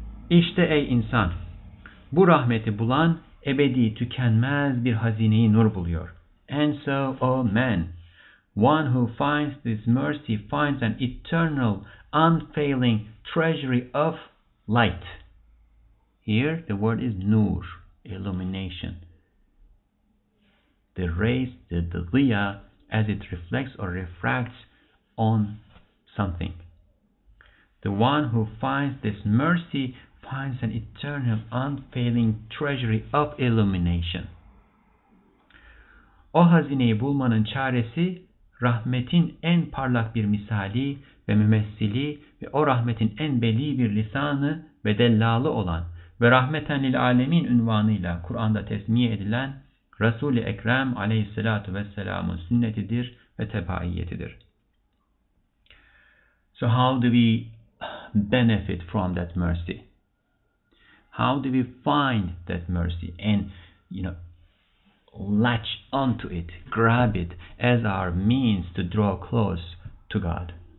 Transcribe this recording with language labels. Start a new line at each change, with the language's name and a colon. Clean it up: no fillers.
Turkish: İşte ey insan, bu rahmeti bulan ebedi tükenmez bir hazineyi nur buluyor.
English: And so, O man, one who finds this mercy finds an eternal, unfailing treasury of light. Here, the word is nur, illumination. The rays, the dhiya, as it reflects or refracts on something. The one who finds this mercy finds an eternal, unfailing treasury of illumination.
Turkish: O hazineyi bulmanın çaresi, rahmetin en parlak bir misali ve mümessili ve o rahmetin en belli bir lisanı ve dellalı olan ve rahmeten lil alemin unvanıyla Kur'an'da tesmiye edilen Resul-i Ekrem aleyhissalatu vesselamın sünnetidir ve tebaiyetidir.
English: So how do we benefit from that mercy? How do we find that mercy and, you know, latch onto it, grab it as our means to draw close to God?